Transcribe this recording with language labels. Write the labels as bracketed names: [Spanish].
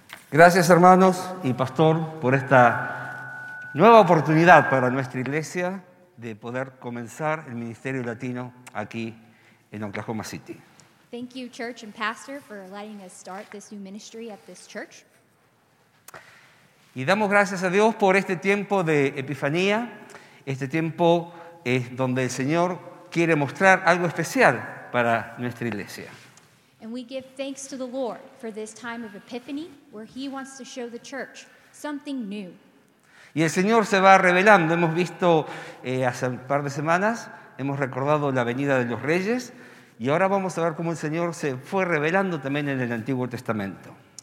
[Spanish] Gracias, hermanos y pastor, por esta nueva oportunidad para nuestra iglesia de poder comenzar el Ministerio Latino aquí en Oklahoma City. [English] Thank you, church and pastor, for letting us start this new ministry at this church. [Spanish] Y damos gracias a Dios por este tiempo de Epifanía. Este tiempo es donde el Señor quiere mostrar algo especial para nuestra iglesia. [English] And we give thanks to the Lord for this time of Epiphany, where He wants to show the church something new. [Spanish] Y el Señor se va revelando. Hemos visto hace un par de semanas, hemos recordado la venida de los reyes. Y ahora vamos a ver cómo el Señor se fue revelando también en el Antiguo Testamento.